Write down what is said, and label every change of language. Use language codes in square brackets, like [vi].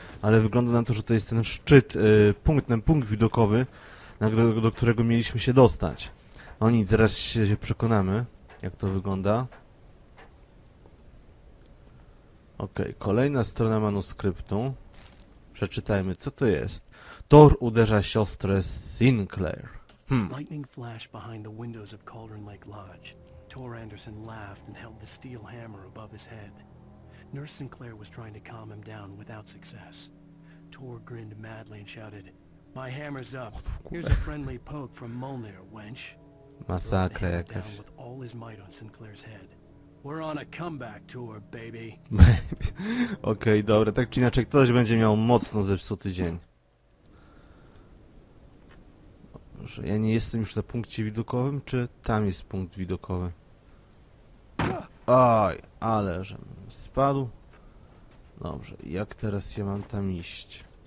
[pl] Ale wygląda na to, że to jest ten szczyt, punkt widokowy, do którego mieliśmy się dostać. No nic, zaraz się przekonamy, jak to wygląda. Okej, okay, kolejna strona manuskryptu. Przeczytajmy, co to jest. Thor uderza siostrę Sinclair. [en] Lightning flashed behind the windows of Cauldron Lake Lodge. Thor Anderson laughed and held the steel hammer above his head. Nurse Sinclair was trying to calm him down without success. Tor grinned madly and shouted, "My hammer's up. Here's a friendly poke from Mjolnir, wench." [pl] Masakra jakaś. [en] With all his might on Sinclair's head. We're on a comeback tour, baby. [pl] Okej, dobra. Tak czy inaczej, ktoś będzie miał mocno zepsuty dzień. Że ja nie jestem już na punkcie widokowym, czy tam jest punkt widokowy? Oj, ale żem spadł. Dobrze, jak teraz ja mam tam iść?